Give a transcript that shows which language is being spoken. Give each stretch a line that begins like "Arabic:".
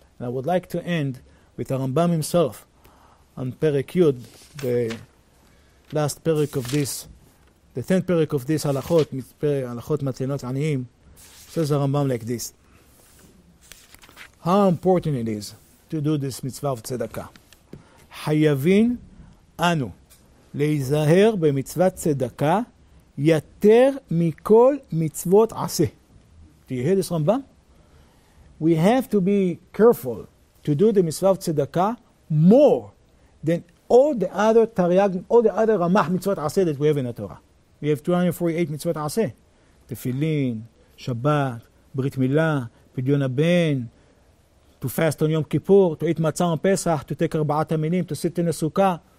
English: And I would like to end with the Rambam himself on Perek Yud, the last perek of this, the tenth perek of this halachot, halachot matzenot aniyim, says the Rambam like this. How important it is to do this mitzvah of tzedakah.
Hebrew: Hayavin anu. להיזהר במצוות צדקה יותר מכל מצוות עשה.
English: Do you hear this Rambam? We have to be careful to do the mitzvah tzedakah more than all the other tariag, all the other ramah mitzvot עשה that we have in the Torah. We have 248 mitzvot עשה. Tefillin, Shabbat, Brit Milah, Pidyon HaBen, to fast on Yom Kippur, to eat matzah on Pesach, to take ארבעת המינים, to sit in a sukkah.